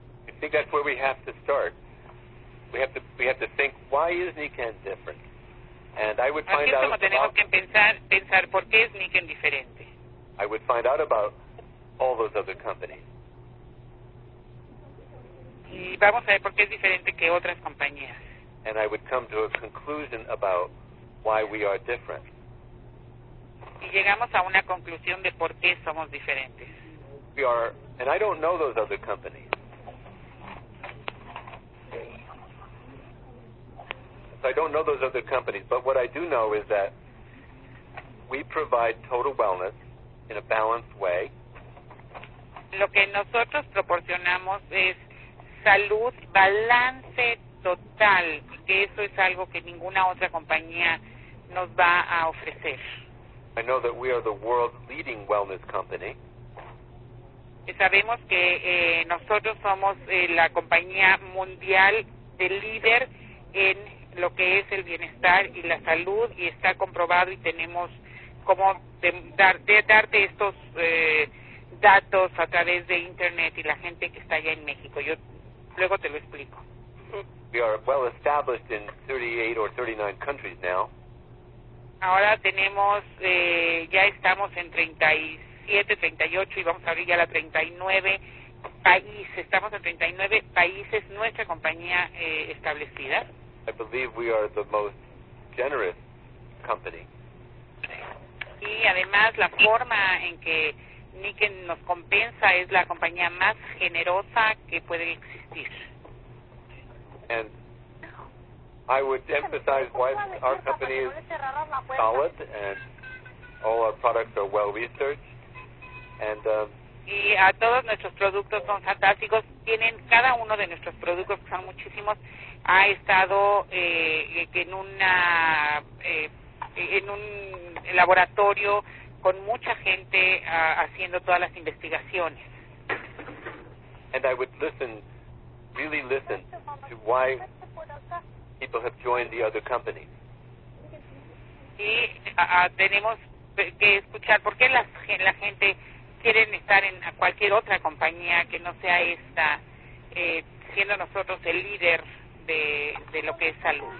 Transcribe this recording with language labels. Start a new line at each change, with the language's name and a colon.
English: I think that's where we have to start. We have to think, why is Niken different? And I would find out about...
Spanish: Aquí es como tenemos que pensar ¿por qué es Niken diferente?
English: I would find out about all those other companies.
Spanish: Y vamos a ver por qué es diferente que otras compañías.
English: And I would come to a conclusion about why we are different.
Spanish: Y llegamos a una conclusión de por qué somos diferentes.
English: We are, and I don't know those other companies. So I don't know those other companies, but what I do know is that we provide total wellness in a balanced way.
Spanish: Lo que nosotros proporcionamos es salud, balance total, que eso es algo que ninguna otra compañía nos va a ofrecer.
English: I know that we are the world's leading wellness company.
Spanish: Sabemos que nosotros somos la compañía mundial de líder en lo que es el bienestar y la salud, y está comprobado y tenemos cómo darte estos datos a través de internet y la gente que está allá en México. Yo luego te lo explico.
English: We are well established in 38 or 39 countries now.
Spanish: Ahora tenemos, ya estamos en 37, 38 y vamos a abrir ya la 39 países. Estamos en 39 países, nuestra compañía establecida.
English: I believe we are the most generous company.
Spanish: Y además la forma en que Niken nos compensa es la compañía más generosa que puede existir.
English: And I would emphasize why our company is solid and all our products are well researched. And
Spanish: y a todos nuestros productos son fantásticos. Tienen cada uno de nuestros productos, que son muchísimos, ha estado en un laboratorio con mucha gente haciendo todas las investigaciones.
English: And I would listen, really listen, to why people have joined the other companies.
Spanish: Y tenemos que escuchar por qué la gente quieren estar en cualquier otra compañía que no sea esta, siendo nosotros el líder de lo que es salud.